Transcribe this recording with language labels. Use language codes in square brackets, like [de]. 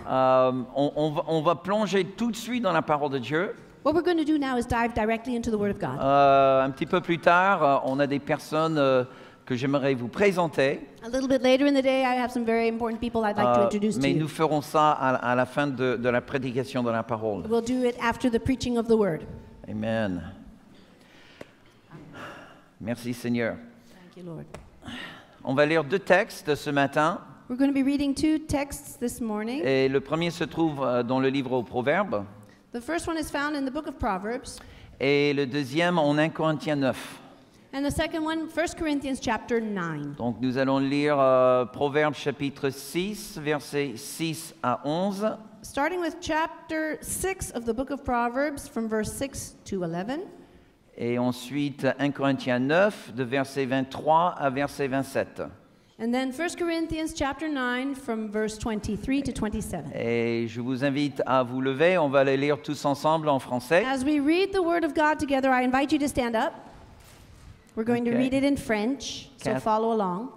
[fr] On va plonger tout de suite dans la parole de Dieu. [en] What we're going to do now is dive directly into the Word of God. [fr] Un petit peu plus tard, on a des personnes que j'aimerais vous présenter. [en] A little bit later in the day, I have some very important people I'd like to introduce to you. [fr] Mais nous ferons ça à la fin de la prédication de la parole. [en] We'll do it after the preaching of the Word. Amen. [fr] Merci Seigneur. [en] Thank you, Lord. [fr] On va lire deux textes ce matin. [en] We're going to be reading two texts this morning. [fr] Et le premier se trouve dans le livre aux Proverbes. [en] The first one is found in the book of Proverbs. [fr] Et le deuxième en 1 Corinthiens 9. [en] And the second one, 1 Corinthians chapter 9. [fr] Donc nous allons lire Proverbes chapitre 6, versets 6 à 11. [en] Starting with chapter 6 of the book of Proverbs from verse 6 to 11. [fr] Et ensuite 1 Corinthiens 9, de verset 23 à verset 27. [en] And then 1 Corinthians chapter 9 from verse 23 to 27. [fr] Et je vous invite à vous lever, on va les lire tous ensemble en français. [en] As we read the word of God together, I invite you to stand up. We're going to read it in French, so follow along.